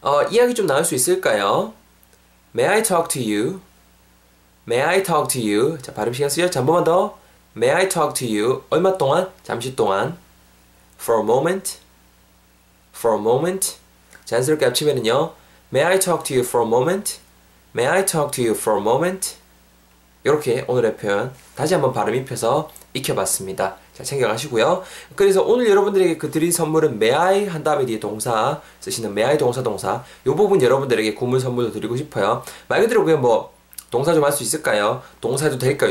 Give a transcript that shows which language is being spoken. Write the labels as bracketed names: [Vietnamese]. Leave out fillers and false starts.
[Korean] 이야기 좀 나눌 수 있을까요? [English] May I talk to you? May I talk to you? [Korean] 자, 발음 시간 쓰죠? 자, 한 번만 더. [English] May I talk to you? [Korean] 얼마 동안? 잠시 동안. [English] For a moment. For a moment. [Korean] 자연스럽게 합치면은요. [English] May I talk to you for a moment? May I talk to you for a moment? [Korean] 이렇게 오늘의 표현 다시 한번 발음 입혀서 익혀봤습니다. 자, 챙겨가시고요. 그래서 오늘 여러분들에게 그 드린 선물은 may I 한 다음에 뒤에 동사 쓰시는 may I 동사 동사 이 부분 여러분들에게 구문 선물도 드리고 싶어요. 말 그대로 그냥 뭐 동사 좀 할 수 있을까요? 동사 해도 될까요?